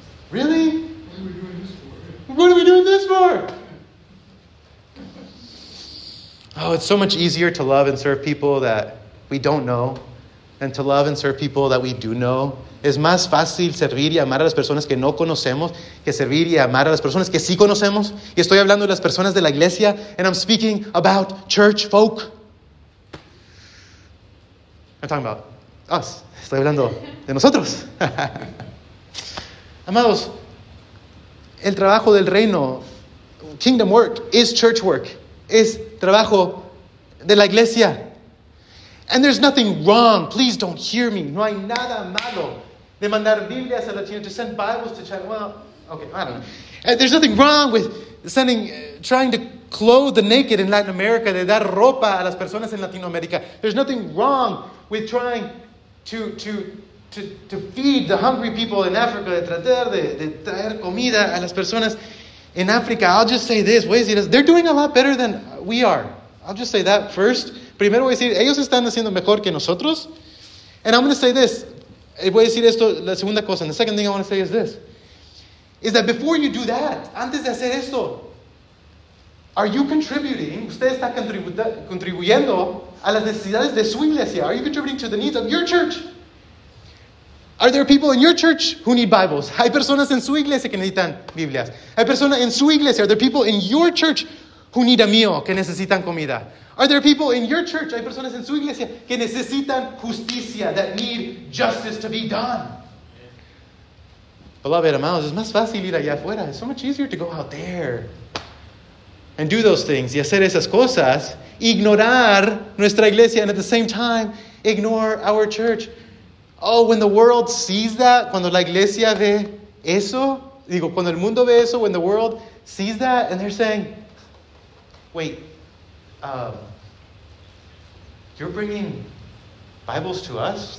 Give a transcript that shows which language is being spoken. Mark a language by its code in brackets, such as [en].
[en] Really? What are we doing this for? What are we doing this for? Oh, it's so much easier to love and serve people that we don't know than to love and serve people that we do know. [es] Es más fácil servir y amar a las personas que no conocemos que servir y amar a las personas que sí conocemos. Y estoy hablando de las personas de la iglesia, [en] and I'm speaking about church folk. I'm talking about us. [es] Estoy hablando de nosotros. Amados, el trabajo del reino, [en] kingdom work, is church work. [es] Es trabajo de la iglesia. [en] And there's nothing wrong. Please don't hear me. [es] No hay nada malo de mandar Biblias a Latino, [en] to send Bibles to China. Well, okay, I don't know. And there's nothing wrong with trying to clothe the naked in Latin America, [es] de dar ropa a las personas en Latinoamérica. [en] There's nothing wrong with trying to feed the hungry people in Africa, [es] de tratar de traer comida a las personas en África. [en] I'll just say this, [es] voy a decir, [en] they're doing a lot better than we are. I'll just say that first. [es] Primero voy a decir, ellos están haciendo mejor que nosotros. [en] And I'm going to say this, [es] voy a decir esto, la segunda cosa, [en] and the second thing I want to say is this, is that before you do that, [es] antes de hacer esto, [en] are you contributing, [es] usted está contribuyendo a las necesidades de su iglesia. [en] Are you contributing to the needs of your church? Are there people in your church who need Bibles? [es] Hay personas en su iglesia que necesitan Biblias. [en] Hay personas en su iglesia. Are there people in your church who need a meal, que necesitan comida? Are there people in your church, [es] hay personas en su iglesia, que necesitan justicia, [en] that need justice to be done? [es] Beloved, amados, es más fácil ir allá afuera. [en] It's so much easier to go out there and do those things, [es] y hacer esas cosas, ignorar nuestra iglesia, [en] and at the same time, ignore our church. Oh, when the world sees that, [es] cuando la iglesia ve eso, [en] digo, cuando el mundo ve eso, when the world sees that, and they're saying, wait, you're bringing Bibles to us?